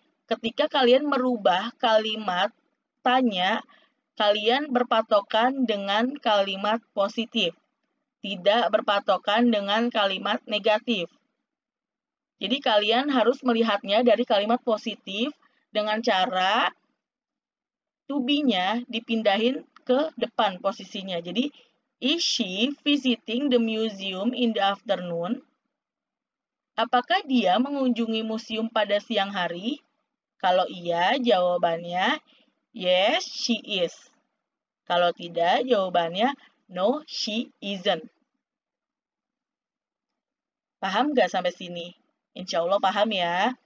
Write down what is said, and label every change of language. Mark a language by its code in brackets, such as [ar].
[id] Ketika kalian merubah kalimat tanya, kalian berpatokan dengan kalimat positif. Tidak berpatokan dengan kalimat negatif. Jadi kalian harus melihatnya dari kalimat positif dengan cara to be-nya dipindahin ke depan posisinya. [en] Jadi, is she visiting the museum in the afternoon? [id] Apakah dia mengunjungi museum pada siang hari? Kalau iya, jawabannya [en] yes, she is. [id] Kalau tidak, jawabannya [en] no, she isn't. [id] Paham nggak sampai sini? Insya Allah paham ya.